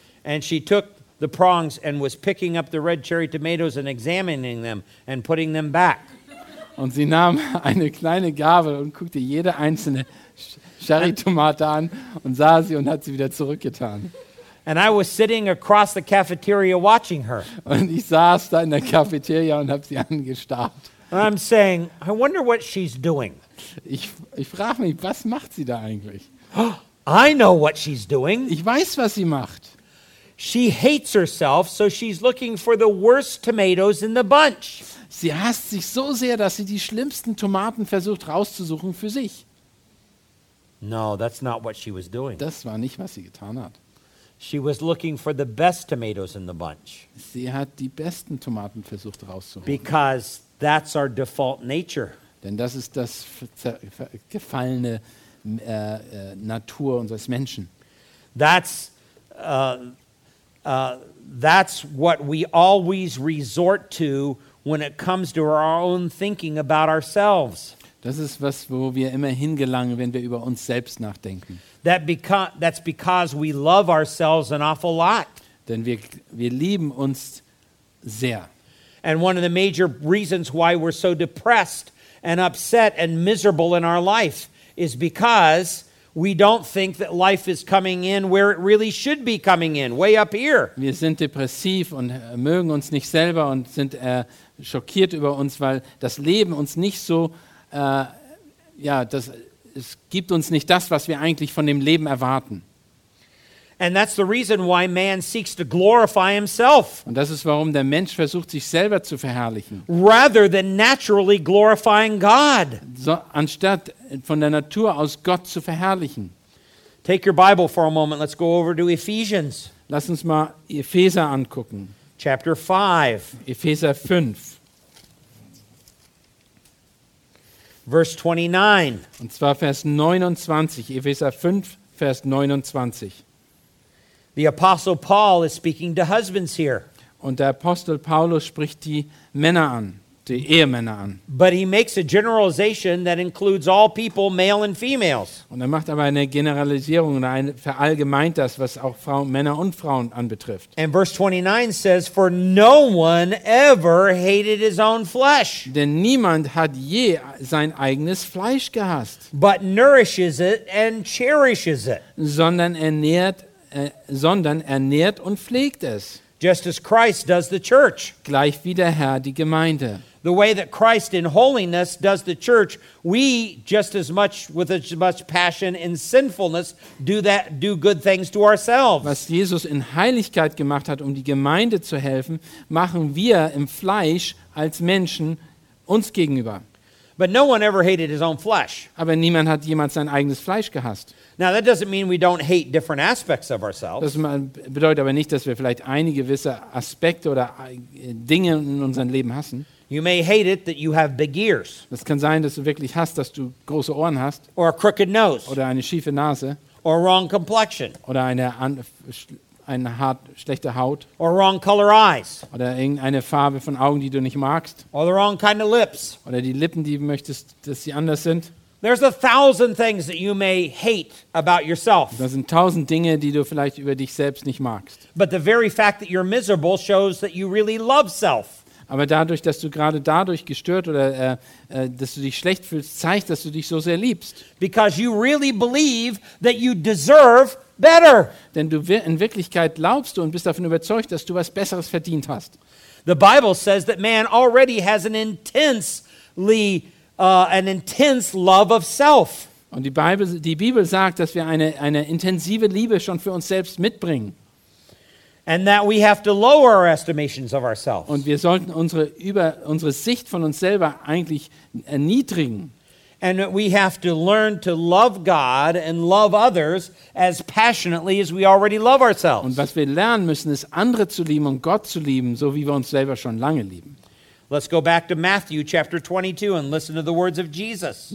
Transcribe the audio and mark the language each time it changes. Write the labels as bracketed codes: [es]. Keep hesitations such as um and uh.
[de] Und sie nahm eine kleine Gabel und guckte jede einzelne Sch Cherrytomate an und sah sie und hat sie wieder zurückgetan. Und ich saß da in der Cafeteria und habe sie angestarrt. [en] And I'm saying, I wonder what she's doing. [de] Ich, ich frage mich, was macht sie da eigentlich? Ich weiß, was sie macht. [en] She hates herself, so [de] Sie hasst sich so sehr, dass sie die schlimmsten Tomaten versucht rauszusuchen für sich. [en] No, that's not what she was doing. [de] Das war nicht, was sie getan hat. [en] She was looking for the best tomatoes in the bunch. [de] Sie hat die besten Tomaten versucht rauszuholen. [en] Because that's our default nature. [de] Denn das ist das gefallene äh, äh, Natur unseres Menschen. [en] That's, uh, uh, that's what we always resort to when it comes to our own thinking about ourselves. [de] Das ist was, wo wir immer hingelangen, wenn wir über uns selbst nachdenken. [en] That beca that's because we love ourselves an awful lot. [de] Denn wir, wir lieben uns sehr. [en] And one of the major reasons why we're so depressed [de] Wir sind depressiv und mögen uns nicht selber und sind äh, schockiert über uns, weil das Leben uns nicht so, äh, ja, das, es gibt uns nicht das, was wir eigentlich von dem Leben erwarten. [en] And that's the reason why man seeks to glorify himself. [de] Und das ist warum der Mensch versucht sich selber zu verherrlichen. [en] Rather than naturally glorifying God. [de] So, anstatt von der Natur aus Gott zu verherrlichen. [en] Take your Bible for a moment. Let's go over to Ephesians. [de] Lass uns mal Epheser angucken. [en] Chapter 5. [de] Epheser 5. [en] Verse 29. [de] Und zwar Vers 29, Epheser 5 Vers 29. [en] The Apostle Paul is speaking to husbands here. [de] Und der Apostel Paulus spricht die Männer an, die Ehemänner an. [en] But he makes a generalization that includes all people, male and females. [de] Und er macht aber eine Generalisierung, ein all das, was auch Frauen, Männer und Frauen anbetrifft. [en] And verse 29 says, for no one ever hated his own flesh. [de] Denn niemand hat je sein eigenes Fleisch gehasst. [en] But nourishes it and cherishes it. [de] Sondern ernährt sondern ernährt und pflegt es. Gleich wie der Herr die Gemeinde. [en] The way that Christ in holiness does the church, we just as much with as much passion in sinfulness do that do good things to ourselves. [de] Was Jesus in Heiligkeit gemacht hat, um die Gemeinde zu helfen, machen wir im Fleisch als Menschen uns gegenüber. [en] But no one ever hated his own flesh. [de] Aber niemand hat jemals sein eigenes Fleisch gehasst. [en] Now that doesn't mean we don't hate different aspects of ourselves. Das [de] bedeutet aber nicht, dass wir vielleicht einige gewisse Aspekte oder Dinge in unserem Leben hassen. [en] You may hate it that you have big ears. [de] Das kann sein, dass du wirklich hast, dass du große Ohren hast. [en] Or a crooked nose. [de] Oder eine schiefe Nase. [en] Or a wrong complexion. [de] Oder eine An ein hart, schlechte Haut. [en] Or wrong color eyes. [de] Oder irgendeine Farbe von Augen, die du nicht magst. [en] Or the wrong kind of lips. [de] Oder die Lippen, die du möchtest, dass sie anders sind. [en] There's a thousand things that you may hate about yourself. [de] Das sind tausend Dinge, die du vielleicht über dich selbst nicht magst. [en] But the very fact that you're miserable shows that you really love self. [de] Aber dadurch, dass du gerade dadurch gestört oder äh, äh, dass du dich schlecht fühlst, zeigt, dass du dich so sehr liebst. [en] Because you really believe that you deserve better. [de] Denn du in Wirklichkeit glaubst du und bist davon überzeugt, dass du was Besseres verdient hast. [en] The Bible says that man already has an intensely uh, an intense love of self. [de] Und die Bibel, die Bibel sagt, dass wir eine, eine intensive Liebe schon für uns selbst mitbringen. [en] and that we have to lower our estimations of ourselves. [de] Und wir sollten unsere über unsere Sicht von uns selber eigentlich erniedrigen. [en] And that we have to learn to love God and love others as passionately as we already love ourselves. [de] Und was wir lernen müssen, ist andere zu lieben und Gott zu lieben, so wie wir uns selber schon lange lieben. [en] Let's go back to Matthew chapter 22 and listen to the words of Jesus.